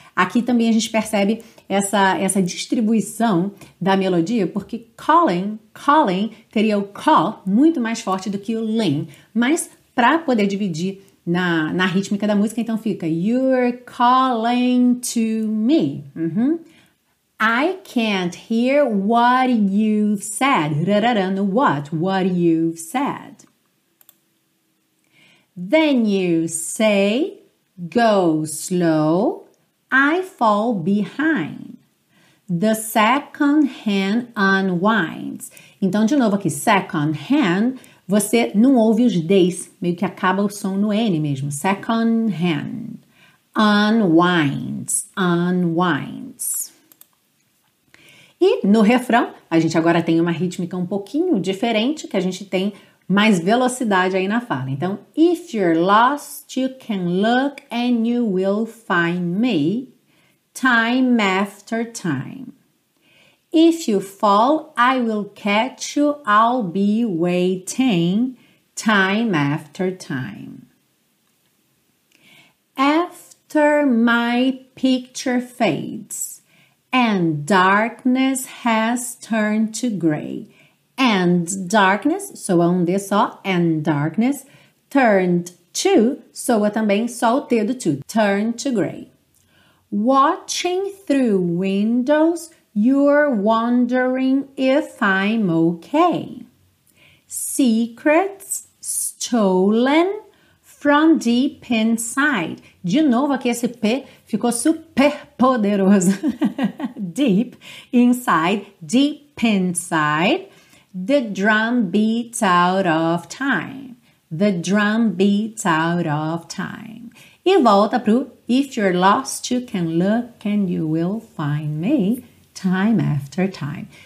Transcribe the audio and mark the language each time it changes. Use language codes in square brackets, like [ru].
[pt] Aqui também a gente percebe essa distribuição da melodia, porque calling teria o call muito mais forte do que o ling. Mas para poder dividir na rítmica da música, então fica [en] you're calling to me. Uhum. I can't hear what you've said. Rarara no what you've said. Then you say, go slow, I fall behind. The second hand unwinds. [pt] Então, de novo aqui, [en] second hand, [pt] você não ouve os D's, meio que acaba o som no N mesmo. [en] Second hand unwinds, unwinds. [pt] E no refrão, a gente agora tem uma rítmica um pouquinho diferente, que a gente tem mais velocidade aí na fala. Então, [en] if you're lost, you can look and you will find me, time after time. If you fall, I will catch you, I'll be waiting, time after time. after my picture fades, and darkness has turned to gray. And darkness, [pt] soa um D só, [en] and darkness, turned to, [pt] soa também só o T do to, [en] turned to gray. Watching through windows, you're wondering if I'm okay. Secrets stolen from deep inside. [pt] De novo aqui esse P ficou super poderoso. [en] Deep inside, deep inside. The drum beats out of time. The drum beats out of time. [pt] E volta pro [en] if you're lost, you can look and you will find me time after time.